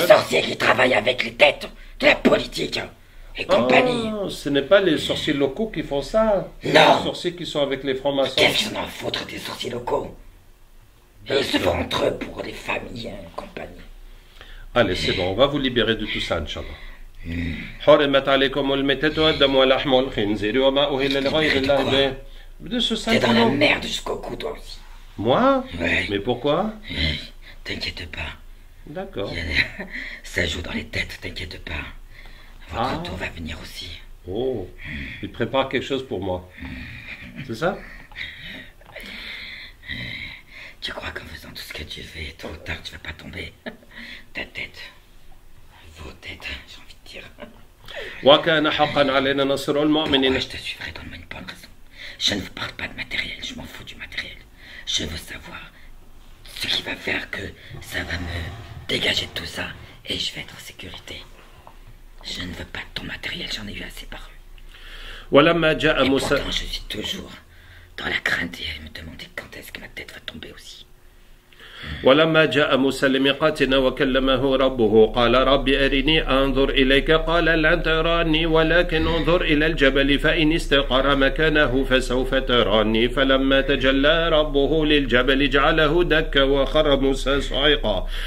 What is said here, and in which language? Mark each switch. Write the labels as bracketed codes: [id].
[fr] Des sorciers qui travaillent avec les têtes de la politique! Et compagnie. Oh, ce n'est pas les sorciers locaux qui font ça. Non. Les sorciers qui sont avec les francs-maçons. Qu'est-ce qu'ils en ont à foutre des sorciers locaux? Ils se font entre eux pour les familles et compagnie. Allez, c'est bon, on va vous libérer de tout ça, Inch'Allah. [ar] حرمت عليكم الميتة والدم ولحم الخنزير وما أهل لغير الله به. [fr] De ce sale. T'es dans la merde jusqu'au cou, toi aussi. Moi? Ouais. Mais pourquoi? T'inquiète pas. D'accord. Ça joue dans les têtes, t'inquiète pas. Votre tour va venir aussi. Oh, il prépare quelque chose pour moi. C'est ça? Tu crois qu'en faisant tout ce que tu fais, trop tard, tu vas pas tomber? Ta tête. Vos têtes, j'ai envie de dire. [ar] وَكَانَ حَقًّا عَلَيْنَا نَصْرُ الْمُؤْمِنِينَ. [fr] Pourquoi je te suivrai dans une bonne raison? Je ne vous parle pas de matériel, je m'en fous du matériel. Je veux savoir ce qui va faire que ça va me dégager de tout ça et je vais être en sécurité. Je ne veux pas de ton matériel, j'en ai eu assez par eux. [ar] وَلَمَّا جَاءَ مُوسَى. [fr] Pourtant, je suis toujours dans la crainte et me demander quand est-ce que ma tête va tomber aussi. [ar] ولما جاء موسى لميقاتنا وكلمه ربه قال ربي أرني أنظر إليك قال لن تراني ولكن انظر إلى الجبل فإن استقر مكانه فسوف تراني فلما تجلى ربه للجبل جعله دكا وخر موسى صعقا